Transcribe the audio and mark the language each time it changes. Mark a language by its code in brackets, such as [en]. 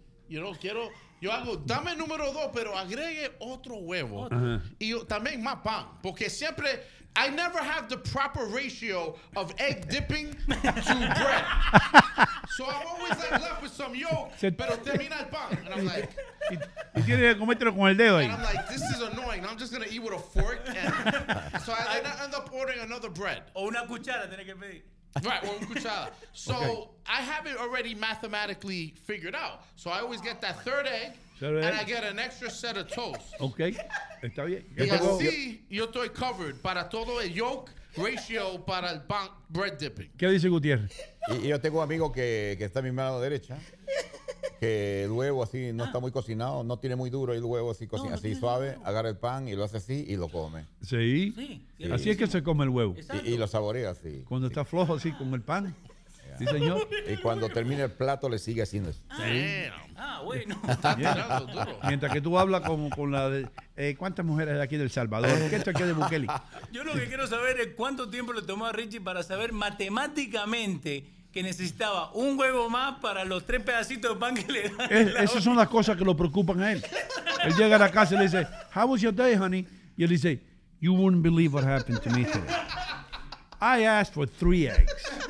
[en] You know, [es] yo hago, dame número dos, pero agregue otro huevo. Uh-huh. Y yo, también más pan, porque siempre... [en] I never have the proper ratio of egg dipping to bread. So I'm always like left with some yolk, [es] pero termina el pan. [en] And I'm like... [es] Y tiene que comértelo con el dedo ahí. [en] And I'm like, this is annoying. I'm just going to eat with a fork. And so I end up ordering another bread. [es] O una cuchara tiene que pedir. [en] Right, [es] o una cuchara. [en] So okay. I have it already mathematically figured out. So I always get that third egg. And I get an extra set of toast. [es] Okay. Está bien. Y así yo estoy [en] covered [es] para todo el [en] yolk ratio [es] para el pan [en] bread dipping. [es] ¿Qué dice Gutiérrez? Y yo tengo un amigo que está a mi mano derecha, que el huevo así no está muy cocinado, no tiene muy duro el huevo así, cocina, así suave, agarra el pan y lo hace así y lo come. ¿Sí? Sí. Así es que se come el huevo. Y lo saborea así. Cuando está flojo así con el pan. Sí, señor. Y cuando termine el plato, le sigue haciendo eso. Ah, bueno. Mientras que tú hablas con la de... ¿cuántas mujeres de aquí del Salvador? ¿Qué es esto aquí de Bukele? Yo lo que quiero saber es cuánto tiempo le tomó a Richie para saber matemáticamente que necesitaba un huevo más para los tres pedacitos de pan que le dan. Esas son las cosas que lo preocupan a él. Él llega a la casa y le dice, [en] how was your day, honey? [es] Y él dice, [en] you wouldn't believe what happened to me today. I asked for 3 eggs.